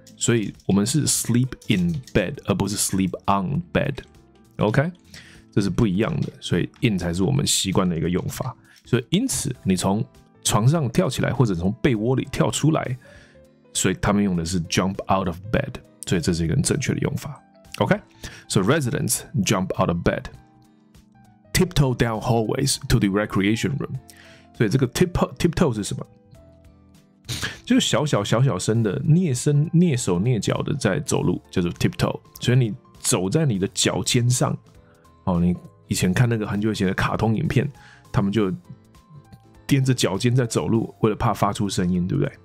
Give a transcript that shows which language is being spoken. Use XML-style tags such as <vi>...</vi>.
<zh>所以我们是</zh> <en>sleep in bed</en> <zh>而不是</zh> <en>sleep on bed，</en> <zh>OK， 这是不一样的。所以 in 才是我们习惯的一个用法。所以因此你从床上跳起来或者从被窝里跳出来，所以他们用的是</zh> <en>jump out of bed，</en> <zh>所以这是一个很正确的用法。</zh> <en>OK? So residents jump out of bed. Tiptoe down hallways to the recreation room.</en> <zh>所以这个 tiptoe 是什么？就是小小小小声的蹑手蹑脚的在走路，叫做 tiptoe。所以你走在你的脚尖上。哦，你以前看那个很久以前的卡通影片，他们就踮着脚尖在走路，为了怕发出声音，对不对？</zh>